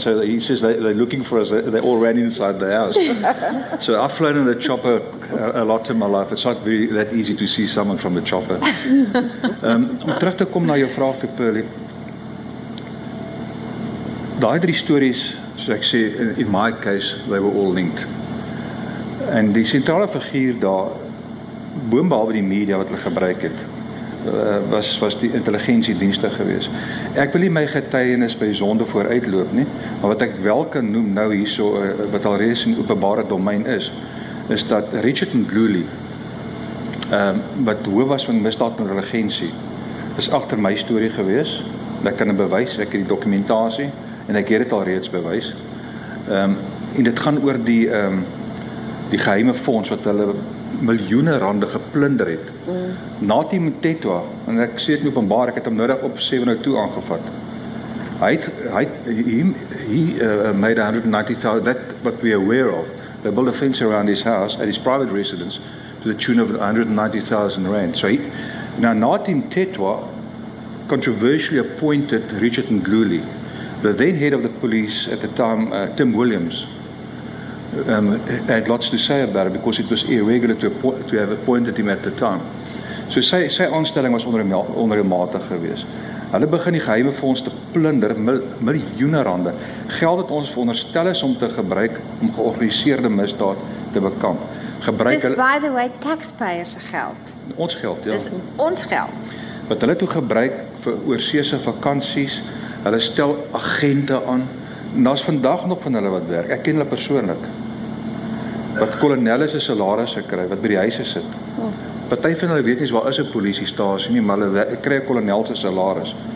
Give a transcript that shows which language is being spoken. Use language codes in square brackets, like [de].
[en] So he says, they're looking for us. They all ran inside the house. So I've flown in the chopper a lot in my life. It's not very that easy to see someone from the chopper. [af] Terug te kom na jou vraag te Pearly. Die drie stories, soos ek sê, [en] in my case, they were all linked. [af] En die centrale figuur daar, boonbehalwe die media wat hulle gebruik het, was die intelligensiedienste gewees. Ek wil nie my getuienis by sonde vooruitloop nie, maar wat ek wel kan noem nou hierso, wat al reeds in openbare domein is, is dat Richard Ngluli, wat hoof was van misdaad intelligensie, is agter my storie gewees. Ek kan 'n bewys, ek het die dokumentasie, en ek het dit al reeds bewys. En dit gaan oor die die geheime fonds wat hulle miljoene rande geplunder het. Nathi Mtetwa, en ek sê het nie openbaar, ek het hom nodig op 702 aangevat. [en] He made 190,000, that what we are aware of, they built a fence around his house at his private residence to the tune of 190,000 rand. So he, now Nathi Mtetwa controversially appointed Richard Ngluli, the then head of the police at the time, Tim Williams, had lots to say about it because it was irregular to have appointed him at the time. [af] So sy aanstelling was onreëlmatig gewees. Hulle begin die geheime fonds te plunder, miljoene rande. Geld het ons veronderstel is om te gebruik om georganiseerde misdaad te bekamp. Gebruik hulle, [en] by the way, [af] taxpayers geld. Ons geld, ja. Dis ons geld. Wat hulle toe gebruik vir oorseese vakansies, hulle stel agente aan. En daar is vandag nog van hulle wat werk. Ek ken hulle persoonlik. Wat kolonelle se salarisse kry, wat by die huise sit. Party van hulle weet nie waar is 'n polisiestasie nie, maar hulle kry 'n kolonel se salaris.